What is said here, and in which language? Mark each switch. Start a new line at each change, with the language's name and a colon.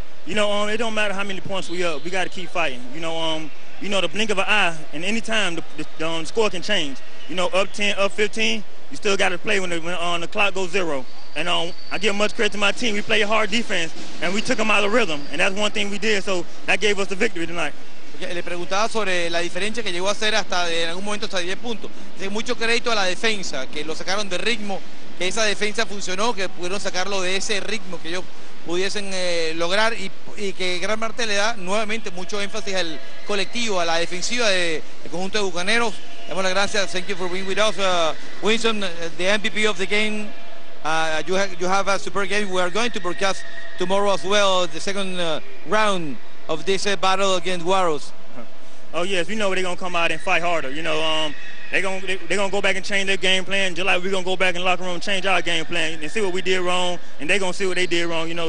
English: You know, it don't matter how many points we up. We got to keep fighting. You know, the blink of an eye, and any time the score can change. You know, up 10, up 15, you still got to play when the clock goes zero. And I give much credit to my team. We played hard defense, and we took them out of rhythm. And that's one thing we did, so that gave us the victory tonight.
Spanish: Le preguntaba sobre la diferencia que llegó a hacer hasta en algún momento hasta 10 puntos. Dice, mucho crédito a la defensa, que lo sacaron de ritmo, que esa defensa funcionó, que pudieron sacarlo de ese ritmo que yo pudiesen lograr, y que Gran Marte le da nuevamente mucho énfasis al colectivo, a la defensiva del conjunto de Bucaneros. Damos las gracias.
English: Thank you for being with us, Winsome, the MVP of the game. You have a super game. We are going to broadcast tomorrow as well the second round of this battle against Guaros. Oh yes, we know they're gonna come out and fight harder. You know, they're gonna go back and change their game plan, just like we're gonna go back in the locker room and change our game plan and see what we did wrong, and they're gonna see what they did wrong, you know.